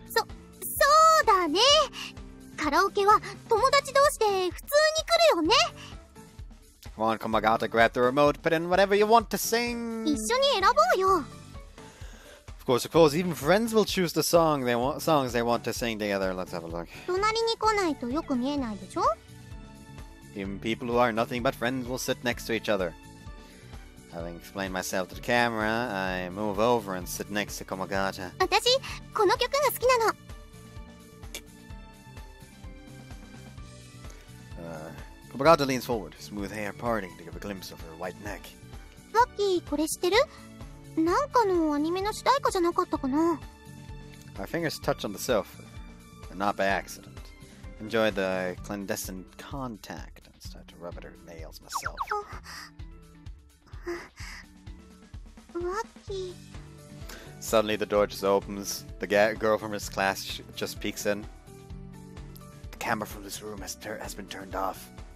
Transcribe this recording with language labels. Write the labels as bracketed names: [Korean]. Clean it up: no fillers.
[Japanese] そうだね!Karaoke は友達同士で普通に来るよね! [English] Come on, Kumagata, grab the remote, put in whatever you want to sing! [Japanese] 一緒に選ぼうよ! [English] Of course, even friends will choose the songs they want to sing together. Let's have a look. [Japanese] 隣に来ないとよく見えないでしょ? [English] Even people who are nothing but friends will sit next to each other. Having explained myself to the camera, I move over and sit next to Kumagata. [Japanese] 私、この曲が好きなの! [English] Kumagata leans forward, smooth hair parting to give a glimpse of her white neck. [Japanese] Lucky,これ知ってる? なんかのアニメの主題歌じゃなかったかな? [English] My fingers touch on the sofa. and not by accident. Enjoy the clandestine contact and start to rub at her nails myself. Lucky. Suddenly the door just opens. The girl from his class just peeks in. The camera from this room has been turned off.